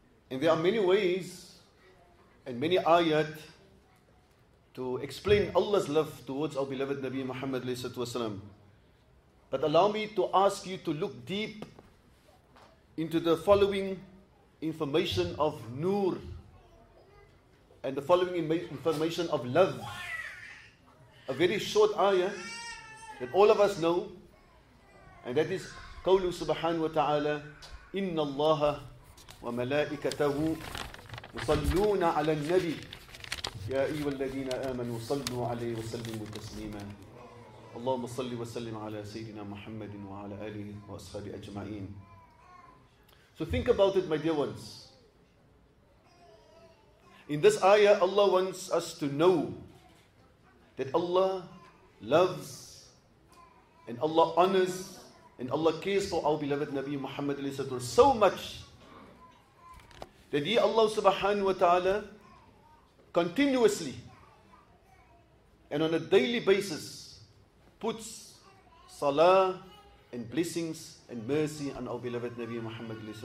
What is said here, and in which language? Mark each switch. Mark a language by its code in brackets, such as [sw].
[en] And there are many ways and many ayat to explain Allah's love towards our beloved Nabi Muhammad sallallahu alaihi wasallam. But allow me to ask you to look deep into the following information of nur and the following information of love. A very short ayah that all of us know, and that is [ar] قوله سبحانه وتعالى إن الله وملائكته يصلون على النبي يا أيها الذين آمنوا صلوا عليه وسلموا تسليما. اللهم صل وسلم على سيدنا محمد وعلى آله وأصحابه أجمعين. [en] So think about it, my dear ones. In this ayah, Allah wants us to know that Allah loves and Allah honors and Allah cares for our beloved Nabi Muhammad so much that He, Allah subhanahu wa ta'ala, continuously and on a daily basis puts salah and blessings and mercy on our beloved Nabi Muhammad.